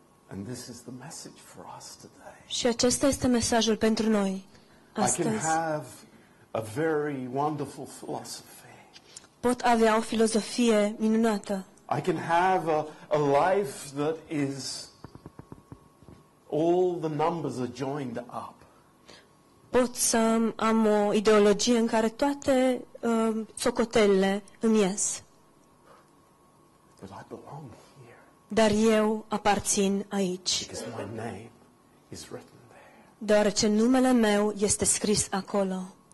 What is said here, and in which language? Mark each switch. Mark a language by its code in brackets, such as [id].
[en] And this is the message for us today. [ro] Și acesta este mesajul pentru noi. Astăzi, [en] I can have a very wonderful philosophy. [ro] Pot avea o filozofie minunată. [en] I can have a life that is all the numbers are joined up. [ro] Pot să am o ideologie în care toate socotelele îmi ies. [en] But I belong here. [ro] Dar eu aparțin aici. [en] Because my name is written. [ro] Deoarece numele meu este scris acolo.